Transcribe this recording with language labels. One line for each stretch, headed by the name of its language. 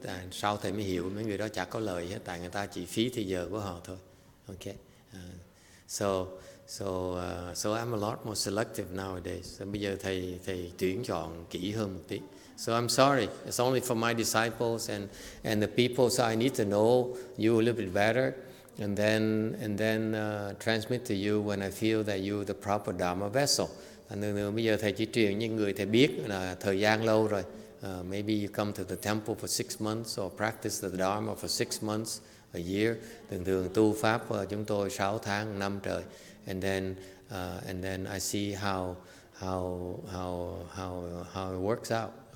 Vietnamese: Sau thầy mới hiểu mấy người đó chả có lời hết, tại người ta chỉ phí thời giờ của họ thôi. Okay.
English: So I'm a lot more selective nowadays.
Vietnamese: So bây giờ thầy tuyển chọn kỹ hơn một tí.
English: So I'm sorry, it's only for my disciples and the people, so I need to know you a little bit better. And then transmit to you when I feel that you are the proper Dharma vessel.
Vietnamese: Thành thường thường bây giờ thầy chỉ truyền những người thầy biết là thời gian lâu rồi.
English: Maybe you come to the temple for 6 months or practice the Dharma for 6 months, a year.
Vietnamese: Thường thường tu pháp chúng tôi 6 tháng, 1 năm trời.
English: And then I see how it works out.